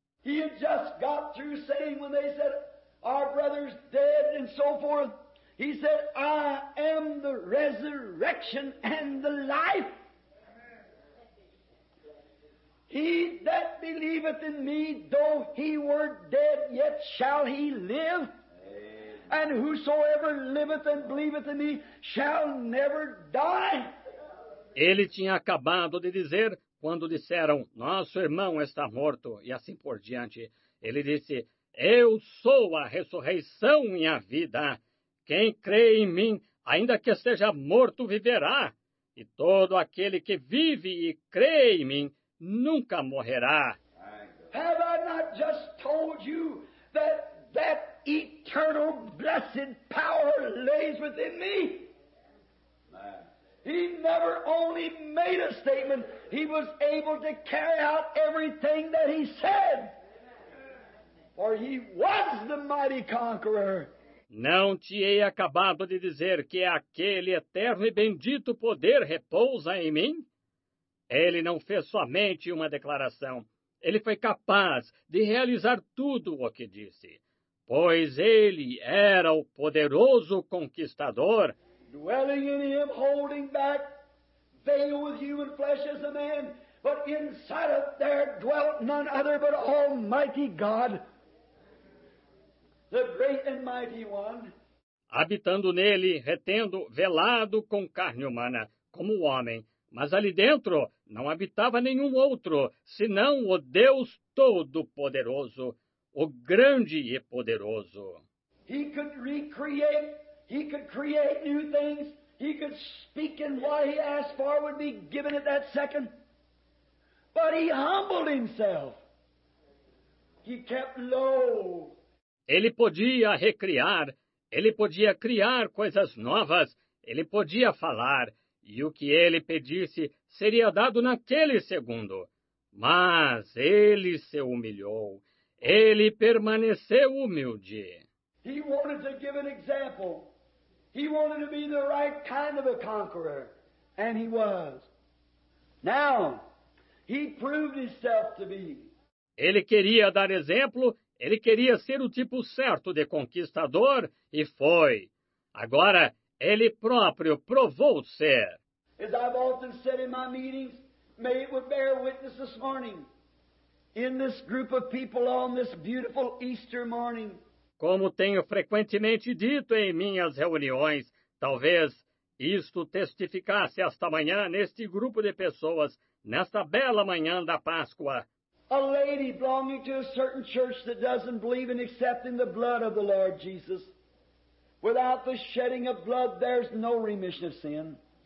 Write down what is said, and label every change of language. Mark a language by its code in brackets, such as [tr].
[en] He had just got through saying, when they said, our brother's dead, and so forth, he said, I am the resurrection and the life. He that believeth in me, though he were dead, yet shall he live. And whosoever liveth and believeth in me shall never die. [pt] Ele tinha acabado de dizer, quando disseram, nosso irmão está morto, e assim por diante. Ele disse, eu sou a ressurreição e a vida. Quem crê em mim, ainda que esteja morto, viverá. E todo aquele que vive e crê em mim, nunca morrerá. [en] Have I not just told you that that eternal blessed power lays within me? He never only made a statement. He was able to carry out everything that he said. For he was the mighty conqueror. [pt] Não te hei acabado de dizer que aquele eterno e bendito poder repousa em mim? Ele não fez somente uma declaração. Ele foi capaz de realizar tudo o que disse. Pois ele era o poderoso conquistador. [en] Dwelling in him, holding back, veiled with human flesh as a man, but inside of there dwelt none other but Almighty God. The great and mighty one. [pt] Habitando nele, retendo, velado com carne humana, como o homem. Mas ali dentro não habitava nenhum outro, senão o Deus Todo-Poderoso, o Grande e Poderoso. [en] He could recreate, he could create new things, he could speak and what he asked for would be given at that second. But he humbled himself. He kept low. [pt] Ele podia recriar, ele podia criar coisas novas, ele podia falar, e o que ele pedisse seria dado naquele segundo. Mas ele se humilhou. Ele permaneceu humilde. [en] He wanted to give an example. He wanted to be the right kind of a conqueror. And he was. Now, he proved himself to be. [pt] Ele queria dar exemplo. Ele queria ser o tipo certo de conquistador. E foi. Agora, ele próprio provou ser. [en] As I've often said in my meetings, may it would bear witness this morning, in this group of people on this beautiful Easter morning. [pt] Como tenho frequentemente dito em minhas reuniões, talvez isto testificasse esta manhã neste grupo de pessoas, nesta bela manhã da Páscoa. [en] A lady belonging to a certain church that doesn't believe in accepting the blood of the Lord Jesus. Without the shedding of blood, there's no remission of sin.